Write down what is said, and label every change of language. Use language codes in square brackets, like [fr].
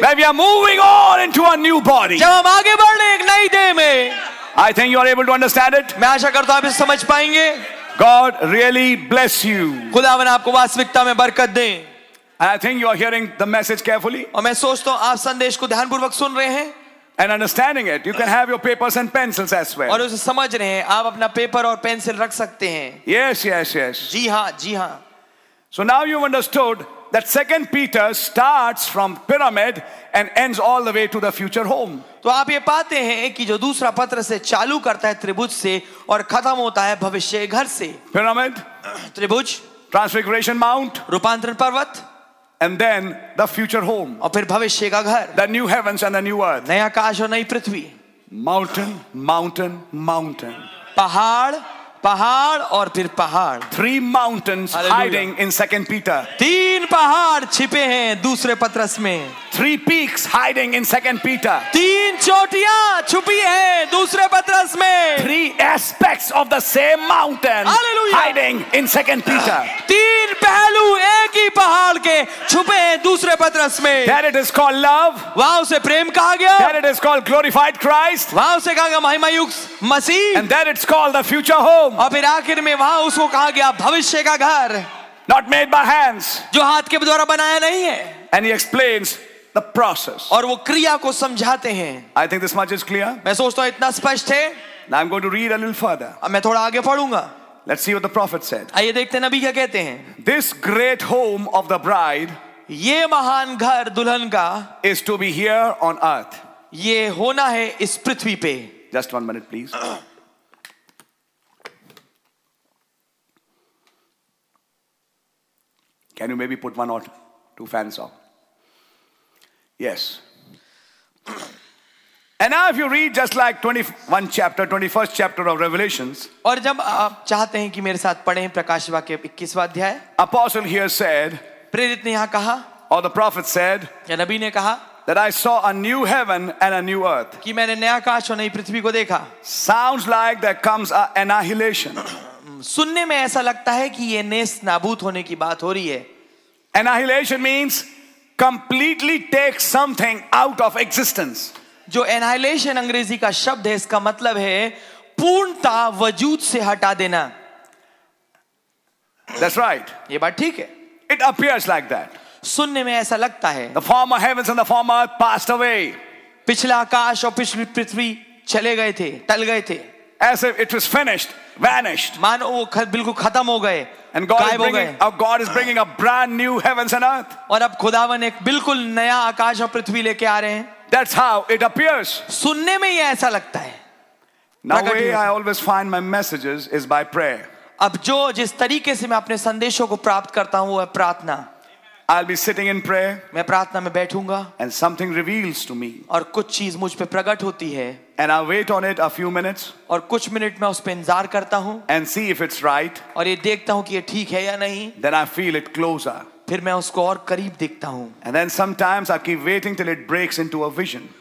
[en] Where we are moving on into a new body. [hi] जब हम आगे बढ़ रहे हैं एक नई देह में. [en] I think you are able to understand it. [hi] मैं आशा करता हूँ आप इसे समझ पाएंगे. [en] God really bless you. [hi] खुदावन आपको वास्तविकता में बरकत दे. [en] I think you are hearing the message carefully. [hi] और मैं सोचता हूँ आप संदेश को ध्यानपूर्वक सुन रहे हैं. [en] And understanding it, you can have your papers and pencils as well. [hi] और उसे समझ रहे हैं, आप अपना पेपर और पेंसिल रख सकते हैं. [en] Yes, yes, yes. [hi] जी हाँ, जी हाँ. [en] So now you've understood that Second Peter starts from pyramid and ends all the way to the future home. [hi] तो आप ये पाते हैं कि जो दूसरा पत्र से चालू करता है त्रिभुज से और खत्म होता है भविष्य घर से. [en] Pyramid. [hi] त्रिभुज. [en] Transfiguration Mount. [hi] रूपांतरण पर्वत. [en] And then the future home. [hi] और फिर भविष्य का घर. [en] The new heavens and the new earth. [hi] नया आकाश और नई पृथ्वी. [en] Mountain, mountain, mountain. [hi] पहाड़, पहाड़ और फिर पहाड़. [en] Three mountains hiding in Second Peter. [hi] तीन पहाड़ छिपे हैं दूसरे पत्रस में. [en] Three peaks hiding in Second Peter. [hi] तीन चोटियां छुपी हैं दूसरे पत्रस में. [en] Three aspects of the same mountain. Hallelujah. Hiding in Second Peter. [hi] तीन पहलू एक ही पहाड़ के छुपे हैं दूसरे पत्रस में. [en] There it is called love. [hi] वहां उसे प्रेम कहा गया. [en] There it is called glorified Christ. [hi] वहां उसे कहा गया महिमायुक्त मसीह. [en] And there it's called the future home. [hi] और फिर आखिर में वहां उसको कहा गया भविष्य का घर. [en] Not made by hands. [hi] जो हाथ के द्वारा बनाया नहीं है. [en] And he explains the process. [hi] और वो क्रिया को समझाते हैं. [en] I think this much is clear. [hi] मैं सोचता हूँ इतना स्पष्ट है. [en] Now I'm going to read a little further. [hi] अब मैं थोड़ा आगे पढूंगा. [en] Let's see what the prophet said. [hi] आइए देखते हैं नबी क्या कहते हैं. [en] This great home of the bride. [hi] ये महान घर दुल्हन का. [en] Is to be here on earth. [hi] ये होना है इस पृथ्वी पे. [en] Just 1 minute, please. Can you maybe put one or two fans off? Yes. And now if you read just like 21 chapter, 21st chapter of Revelations. [hi] और जब आप चाहते हैं कि मेरे साथ पढ़ें प्रकाशवाक्य के 21वां अध्याय. [en] Apostle here said. [hi] प्रेरित ने यहाँ कहा. [en] Or the prophet said. [hi] या नबी ने कहा. [en] That I saw a new heaven and a new earth. [hi] कि मैंने नया आकाश और नई पृथ्वी को देखा. [en] Sounds like there comes an annihilation. [hi] सुनने में ऐसा लगता है कि ये नेस्त नाबूद होने की बात हो रही है. [en] Annihilation means completely take something out of existence. [hi] जो annihilation अंग्रेजी का शब्द है इसका मतलब है पूर्णता वजूद से हटा देना. [en] That's right. [hi] ये बात ठीक है. [en] It appears like that. [hi] सुनने में ऐसा लगता है. [en] The former heavens and the former earth passed away. [hi] पिछला आकाश और पिछली पृथ्वी चले गए थे, टल गए थे. [en] As if it was finished, vanished. [hi] मानो वो बिल्कुल खत्म हो गए. [en] And God is bringing a brand new heavens and earth. [hi] और अब खुदावन एक बिल्कुल नया आकाश और पृथ्वी लेके आ रहे हैं. [en] That's how it appears. [hi] सुनने में ही ऐसा लगता है. [en] Now the way I always find my messages is by prayer. [hi] अब जो जिस तरीके से मैं अपने संदेशों को प्राप्त करता हूँ वो है प्रार्थना. [en] I'll be sitting in prayer. [hi] मैं प्रार्थना में बैठूंगा. [en] And something reveals to me. [hi] और कुछ चीज मुझ पे प्रकट होती है. [en] And I wait on it a few minutes. [hi] और कुछ मिनट मैं उस पे इंतजार करता हूँ. [en] And see if it's right. [hi] और ये देखता हूँ कि ये ठीक है या नहीं. [en] Then I feel it closer. [hi] फिर मैं उसको और करीब देखता हूँ. [en] And then sometimes I keep waiting till it breaks into a vision.